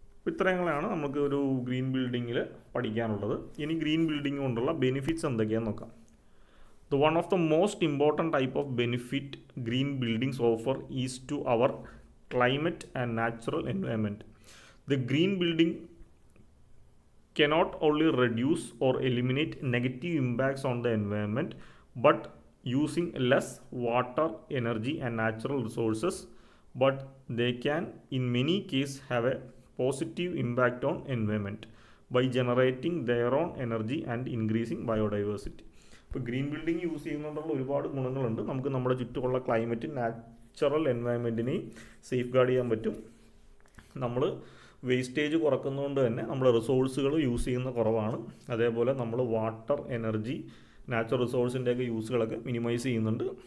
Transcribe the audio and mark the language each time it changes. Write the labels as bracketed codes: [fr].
[ml] ഇത്രയങ്ങളെയാണ് നമുക്ക് ഒരു ഗ്രീൻ ബിൽഡിങ്ങിൽ പഠിക്കാനുള്ളത്. ഇനി ഗ്രീൻ ബിൽഡിംഗ് കൊണ്ടുള്ള ബെനിഫിറ്റ്സ് എന്തൊക്കെയാന്ന് നോക്കാം. [en] The one of the most important type of benefit green buildings offer is to our climate and natural environment. The green building cannot only reduce or eliminate negative impacts on the environment, but using less water, energy and natural resources, but they can in many cases have a positive impact on environment by generating their own energy and increasing biodiversity. [ml] ഇപ്പോൾ green building use ചെയ്യുന്നതുകൊണ്ടുള്ള ഒരുപാട് ഗുണങ്ങളുണ്ട്. നമുക്ക് നമ്മുടെ ചുറ്റുമുള്ള climate natural എൻവയോൺമെൻറ്റിനെയും safe guard ചെയ്യാൻ പറ്റും. നമ്മൾ wastage കുറക്കുന്നതുകൊണ്ട് തന്നെ നമ്മൾ റിസോഴ്സുകൾ യൂസ് ചെയ്യുന്ന കുറവാണ്. അതേപോലെ നമ്മൾ വാട്ടർ, എനർജി, നാച്ചുറൽ റിസോഴ്സിൻ്റെയൊക്കെ യൂസുകളൊക്കെ മിനിമൈസ് ചെയ്യുന്നുണ്ട്.